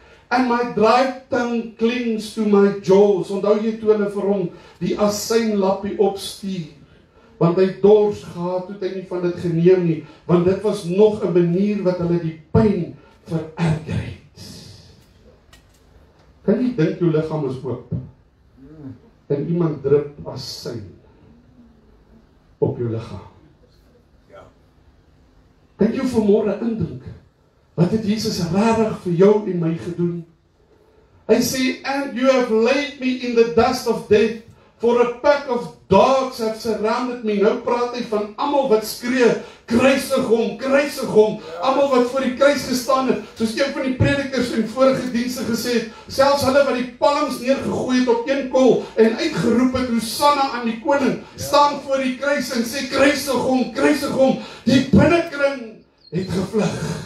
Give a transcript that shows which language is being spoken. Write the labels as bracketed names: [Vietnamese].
[English] And my dry tongue clings to my jaws. [Afrikaans] Onthou jy toe hulle vir hom die asynlappie opstuur. Want hy dors gehad, toe hy nie van dit geneem nie. Want dit was nog een manier wat hulle die pijn vererger. Kan jy dink jou liggaam is oop? En iemand drip asyn op jou liggaam. Ja. Kan jy vanmôre indink wat het Jesus regtig vir jou en my gedoen? Hy sê, [English] "And you have laid me in the dust of death, for a pack of dogs have surrounded me." [Afrikaans] Nou praat hy van almal wat skree, kruisig hom, kruisig hom, almal wat voor die kruis gestaan het, soos een van die predikers in vorige dienste gesê het, selfs hulle wat die palms neergegooi het op een kol en uitgeroep het, Hosanna aan die koning, staan voor die kruis en sê, kruisig hom, kruisig hom, die binnenkring het gevlug.